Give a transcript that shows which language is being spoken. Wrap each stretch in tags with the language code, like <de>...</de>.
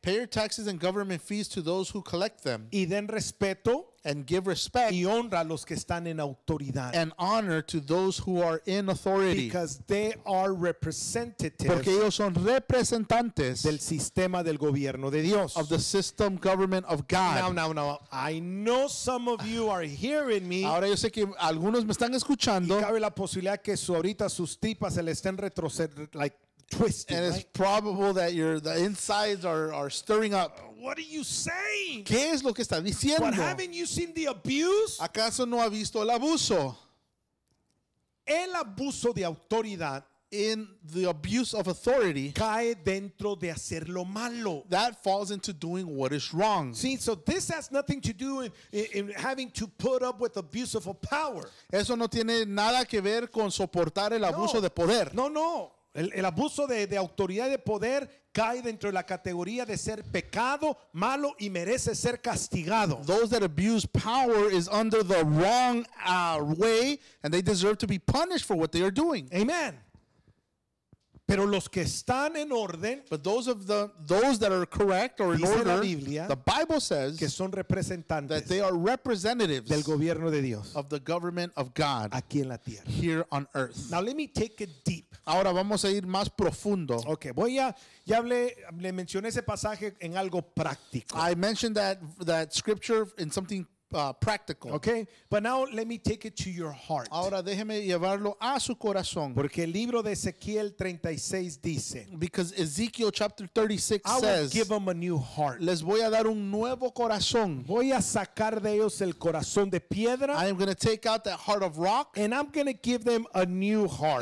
<en>Pay your taxes and government fees to those who collect them.</en> <es>Y den respeto.</es> <en>And give respect.</en> <es>Y honra a los que están en autoridad.</es> <en>And honor to those who are in authority. Because they are representatives.</en> <es>Porque ellos son representantes. Del sistema del gobierno de Dios.</es> <en>Of the system government of God. Now. I know some of you are hearing me.</en> <es>Ahora yo sé que algunos me están escuchando. Y cabe la posibilidad que ahorita sus tripas se le estén retrocediendo.</es> <en>Like, twisted. And right? It's probable that the insides are stirring up. What are you saying?</en> <es>¿Qué es lo que está diciendo?</es> <en>But haven't you seen the abuse?</en> <es>¿Acaso no ha visto el abuso? El abuso de autoridad.</es> <en>In the abuse of authority,</en> <es>cae dentro de hacer lo malo.</es> <en>That falls into doing what is wrong. See, so this has nothing to do in having to put up with abuse of power.</en> <es>Eso no tiene nada que ver con soportar el abuso de poder. No, no. El abuso de autoridad y de poder cae dentro de la categoría de ser pecado, malo y merece ser castigado.</es> <en>Those that abuse power is under the wrong way, and they deserve to be punished for what they are doing.</en> <es>Amen. Pero los que están en orden,</es> <en>but those that are correct or in order,</en> <es>Biblia,</es> <en>the Bible says</en> <es>que son representantes,</es> <en>that they are representatives</en> <es>del gobierno de Dios,</es> <en>of the government of God</en> <es>aquí en la tierra,</es> <en>here on earth. Now let me take it deep.</en> <es>Ahora vamos a ir más profundo. Okay, voy a, ya hablé, le mencioné ese pasaje en algo práctico.</es> <en>I mentioned that scripture in something practical. Okay, but now let me take it to your heart.</en> <es>Ahora déjeme llevarlo a su corazón. Porque el libro de Ezequiel 36 dice,</es> <en>because Ezekiel chapter 36 says, I will give them a new heart.</en> <es>Les voy a dar un nuevo corazón. Voy a sacar de ellos el corazón de piedra.</es> <en>I am going to take out that heart of rock. And I'm going to give them a new heart.</en>